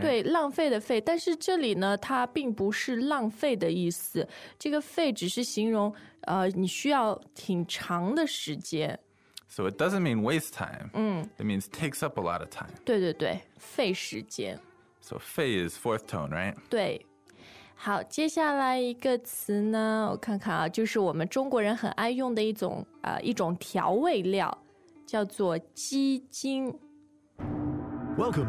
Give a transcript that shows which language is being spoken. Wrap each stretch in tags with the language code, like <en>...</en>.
<zh>对，浪费的费，但是这里呢，它并不是浪费的意思。这个费只是形容你需要挺长的时间。</zh> <en>So it doesn't mean waste time. It means takes up a lot of time.</en> <zh>对，费时间。So</zh> <en>fei is fourth tone, right?</en> <zh>对。好，接下来一个词呢，我看看啊，就是我们中国人很爱用的一种调味料，叫做鸡精。Welcome</zh>